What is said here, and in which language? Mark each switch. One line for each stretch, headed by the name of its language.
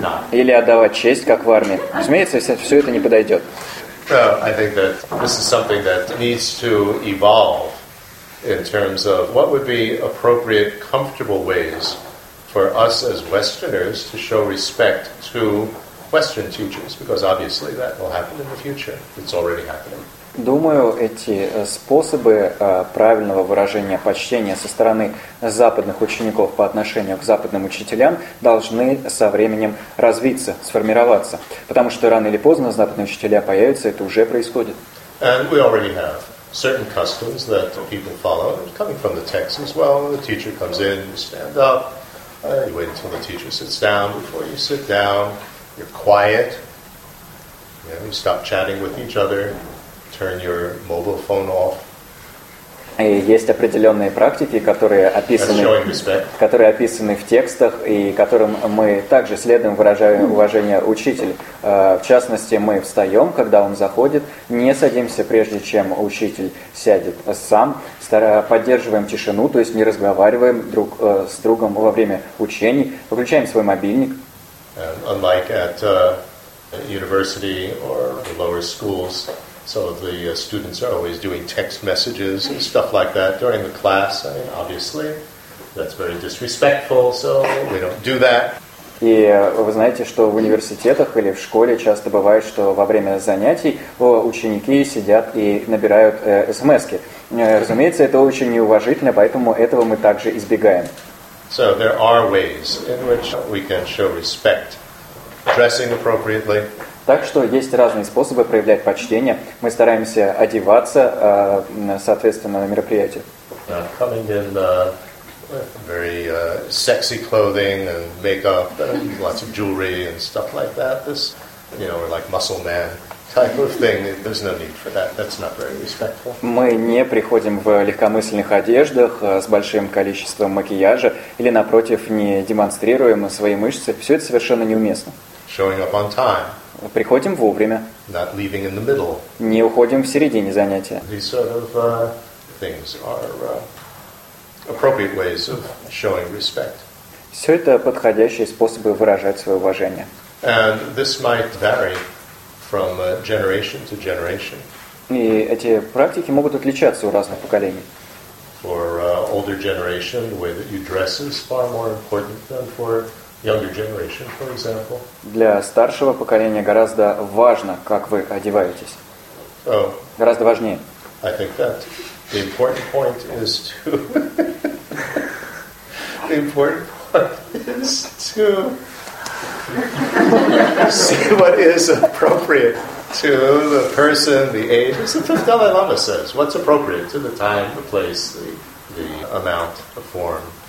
Russian: Или отдавать честь, как в армии. Разумеется, все это не подойдет.
English: I think that this is something that needs to evolve in terms of what would be appropriate, comfortable ways for us as Westerners to show respect to Western teachers, because obviously that will happen in the future. It's already happening.
Russian: Думаю, эти способы правильного выражения почтения со стороны западных учеников по отношению к западным учителям должны со временем развиться, сформироваться. Потому что рано или поздно западные учителя появятся, это уже происходит.
English: And we already have certain customs that people follow, coming from the text as well. The teacher comes in, you stand up, you wait until the teacher sits down. Before you sit down, you're quiet, you stop chatting with each other. Turn your mobile phone off.
Russian: И есть определенные практики, которые описаны в текстах, и которым мы также следуем, выражая уважение учителю. В частности, мы встаем, когда он заходит, не садимся, прежде чем учитель сядет сам, поддерживаем тишину, то есть не разговариваем друг с другом во время учений, выключаем свой мобильник.
English: Unlike at university or the lower schools, so the students are always doing text messages and stuff like that during the class. I mean, obviously, that's very disrespectful, so we don't do that.
Russian: И вы знаете, что в университетах или в школе часто бывает, что во время занятий ученики сидят и набирают смс-ки. Разумеется, это очень неуважительно, поэтому этого мы также избегаем.
English: So there are ways in which we can show respect, dressing appropriately.
Russian: Так что есть разные способы проявлять почтение. Мы стараемся одеваться соответственно на мероприятие.
English: Coming in very sexy clothing and makeup, lots of jewelry and stuff like that. This, you know, like muscle man type of thing. There's no need for that. That's not very respectful.
Russian: Мы не приходим в легкомысленных одеждах с большим количеством макияжа или, напротив, не демонстрируем свои мышцы. Все это совершенно неуместно.
English: Showing up on time.
Russian: Приходим вовремя.
English: Not leaving in the middle.
Russian: Не уходим в середине занятия.
English: These sort of things are appropriate ways of showing respect.
Russian: Все это подходящие способы выражать свое уважение.
English: And this might vary from generation to generation.
Russian: И эти практики могут отличаться у разных поколений.
English: For older generation, the way that you dress is far more important than for younger generation, for example.
Russian: Для старшего поколения гораздо важно, как вы одеваетесь. Oh, гораздо важнее.
English: I think that the important point is to the important point is to see what is appropriate to the person, the age. As the Dalai Lama says, what's appropriate to the time, the place, the amount, the form.